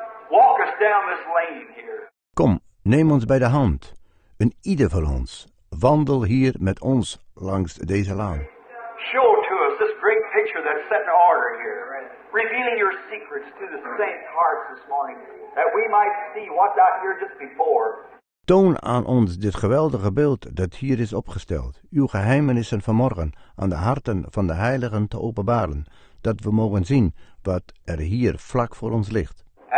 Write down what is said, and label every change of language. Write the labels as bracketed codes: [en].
[en] Walk us down this lane here. [nl] Kom, neem ons bij de hand. Een ieder van ons. Wandel hier met ons langs deze laan. [en] Show to us this great picture that's set in order here. Revealing your secrets to the saints' hearts this morning. That we might see what's out here just before. [nl] Toon aan ons dit geweldige beeld dat hier is opgesteld. Uw geheimenissen vanmorgen aan de harten van de heiligen te openbaren. Dat we mogen zien wat er hier vlak voor ons ligt.